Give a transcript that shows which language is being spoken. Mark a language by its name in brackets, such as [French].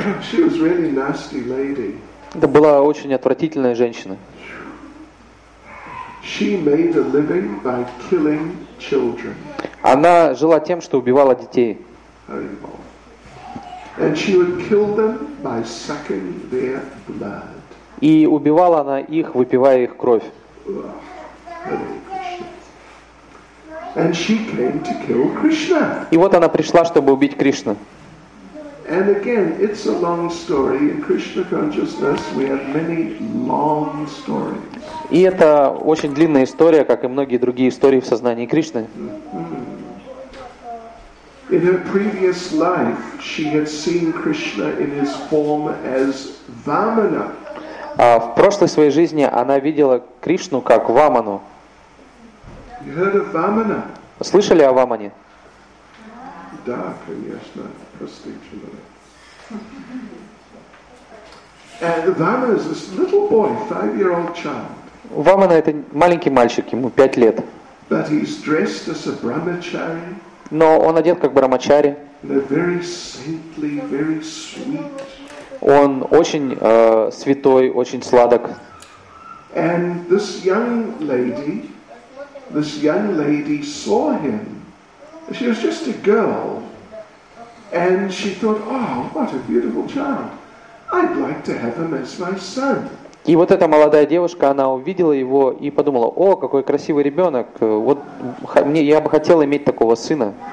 [English] She was really nasty lady. [Russian] Это была очень отвратительная женщина. [English] She made a living by killing children. [Russian] Она жила тем, что убивала детей. [English] And she would kill them by sucking their blood. [Russian] И убивала она их, выпивая их кровь. [English] And she came to kill Krishna. [Russian] И вот она пришла, чтобы убить Кришну. [English] And again, it's a long story. In Krishna consciousness, we have many long stories. [Russian] И это очень длинная история, как и многие другие истории в сознании Кришны. [English] In her previous life, she had seen Krishna in his form as Vamana. [Russian] В прошлой своей жизни она видела Кришну как Ваману. [English] You heard of Vamana? [Russian] Слышали о Вамане? Да, конечно, простите меня. [English] And Vamana is this little boy, 5-year-old child. [Russian] Вамана это маленький мальчик, ему 5 лет. [English] But he's dressed as a brahmachari. [Russian] Но он одет как брамачари. [English] Very saintly, very sweet. [Russian] Он очень святой, очень сладок. [English] And this young lady saw him. She was just a girl. And she thought, oh, what a beautiful child. I'd like to have him as my son. [Russian] И вот эта молодая девушка, она увидела его и подумала, о, какой красивый ребенок, вот мне, я бы хотела иметь такого сына.